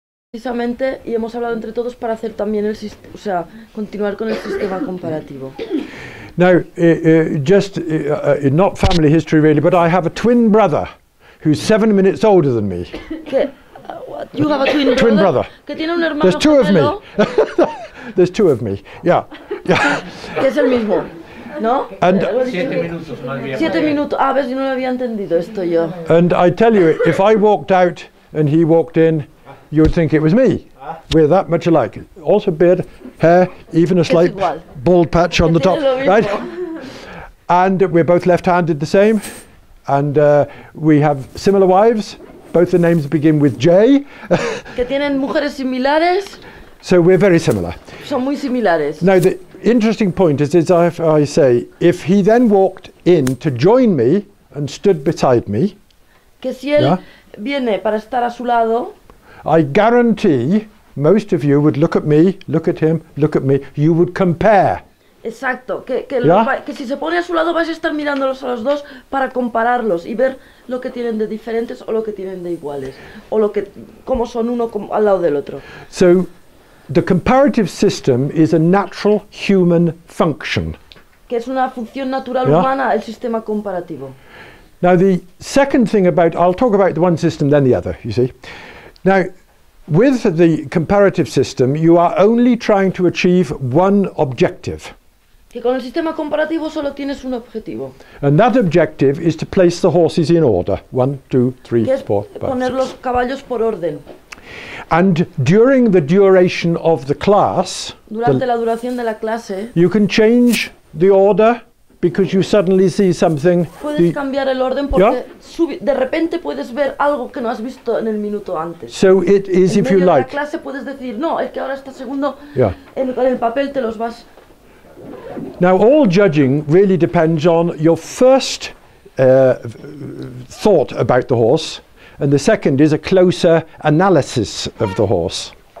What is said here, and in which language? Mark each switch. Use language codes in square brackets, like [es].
[es] Precisamente, y hemos hablado entre todos para hacer también el sistema, o sea, continuar con el sistema comparativo. [en] Now, just not family history really, but I have a twin brother who's 7 minutes older than me. You have a twin brother? Twin brother. [es] Que tiene un hermano [en] There's two of me. [es] gemelo. [en] There's two of me. Yeah. Yeah. [es] Que es el mismo, ¿no? [en] And [es] 7 minutos, más bien. 7 minutos. Ah, ves, yo no lo había entendido esto yo. [en] And I tell you, if I walked out and he walked in, you would think it was me. We're that much alike. Also beard, hair, even a slight bald patch on the top, right? And we're both left-handed the same. And we have similar wives. Both the names begin with J. [es] Que tienen mujeres similares. [en] So we're very similar. [es] Son muy similares. [en] Now the interesting point is, as I say, if he then walked in to join me and stood beside me, [es] que si él viene para estar a su lado, [en] I guarantee most of you would look at me, look at him, look at me, you would compare. [es] Exacto, que si se pone a su lado vas a estar mirándolos a los dos para compararlos y ver lo que tienen de diferentes o lo que tienen de iguales, o lo que, cómo son uno al lado del otro. [en] So, the comparative system is a natural human function. [es] Que es una función natural humana, el sistema comparativo. [en] Now the second thing about, I'll talk about the one system then the other, you see. Now, with the comparative system, you are only trying to achieve one objective. [es] Que con el sistema comparativo solo tienes un objetivo. [en] And that objective is to place the horses in order. 1, 2, 3, [es] que es [en] four, [es] poner [en] five, [es] los [en] six. [es] Caballos por orden. [en] And during the duration of the class, [es] durante la duración de la clase, [en] you can change the order because you suddenly see something. [es] Puedes cambiar el orden porque de repente puedes ver algo que no has visto en el minuto antes. [en] So it is, [es] en [en] if you [es] de [en] like. [es] En la clase puedes decir, no, es que ahora está segundo. En el papel te los vas. [en] Now all judging really depends on your first thought about the horse, and the second is a closer analysis of the horse.